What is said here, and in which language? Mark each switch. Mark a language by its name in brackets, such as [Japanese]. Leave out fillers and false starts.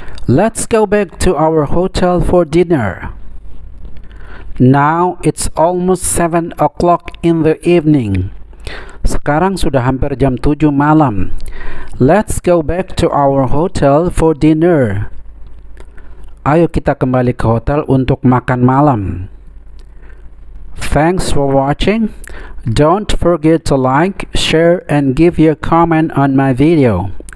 [English] Let's go back to our hotel for dinner." "Now it's almost 7 o'clock in the evening." [Indonesian] Sekarang sudah hampir jam 7 malam. [English] "Let's go back to our hotel for dinner." [Indonesian] Ayo kita kembali ke hotel untuk makan malam. [English] Thanks for watching. Don't forget to like, share, and give your comment on my video.